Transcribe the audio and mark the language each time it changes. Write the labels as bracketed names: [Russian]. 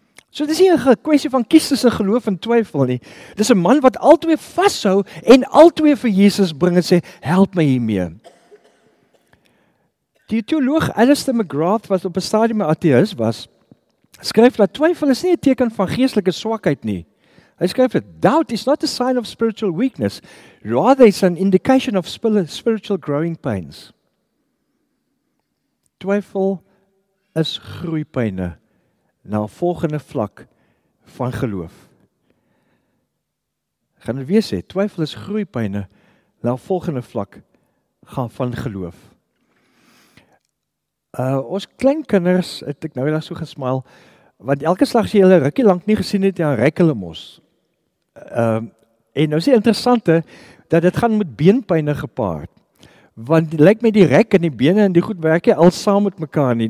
[Afrikaans] So dit is nie een kwestie van kies tussen geloof en twyfel nie. Dit is een man wat al twee vasthou en al twee vir Jesus bring en sê, help my hiermee. Die theoloog Alistair McGrath, wat op een stadium atheïs was, skryf dat twyfel is nie een teken van geestelike swakheid nie. Hy skryf dat [English] doubt is not a sign of spiritual weakness, rather it's an indication of spiritual growing pains. [Afrikaans] Twyfel is groeipyne na volgende vlak van geloof. Gaan het weer sê, twyfel is groeipyne na volgende vlak van geloof. Ons kleinkinders, het ek nou daar so gesmaal, want elke slag as jy hulle rukkie lank nie gesien het, dan rek hulle mos. En nou is die interessante, dat dit gaan met beenpyne gepaard. Want het lyk met die rek en die bene en die goed werk jy al saam met mekaar nie.